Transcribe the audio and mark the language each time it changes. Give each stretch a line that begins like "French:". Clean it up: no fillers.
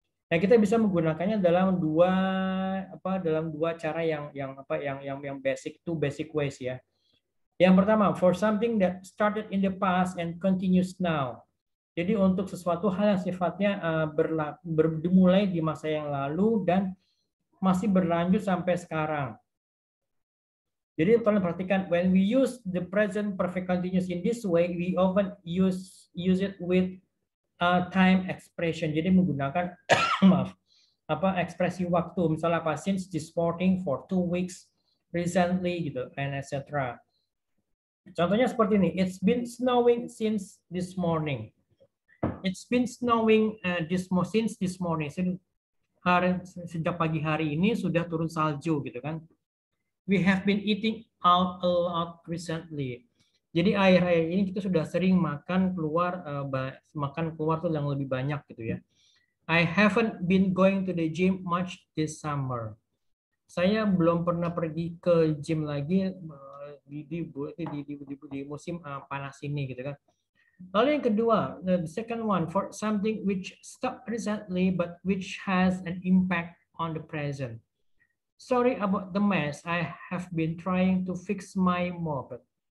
Indonesian: Nah, kita bisa menggunakannya dalam dua cara yang
English: basic ways
Indonesian: ya.
English: Yang pertama, for something that started in the past and continues now.
Indonesian: Jadi untuk sesuatu hal yang sifatnya bermulai di masa yang lalu dan masih berlanjut sampai sekarang. Jadi tolong perhatikan,
English: when we use the present perfect continuous in this way, we often use it with a time expression.
Indonesian: Jadi menggunakan ekspresi waktu. Misalnya apa,
English: since this morning for 2 weeks, recently,
Indonesian: gitu, and etc.
English: Contohnya seperti ini, it's been snowing since this morning. It's been snowing since this morning.
Indonesian: Sejak pagi hari ini sudah turun salju, gitu kan.
English: We have been eating out a lot recently.
Indonesian: Jadi akhir-akhir ini kita sudah sering makan keluar tuh yang lebih banyak gitu ya.
English: I haven't been going to the gym much this summer.
Indonesian: Saya belum pernah pergi ke gym lagi di musim panas ini gitu kan.
English: Lalu yang kedua, the second one, for something which stopped recently but which has an impact on the present. Sorry about the mess. I have been trying to fix my mopped.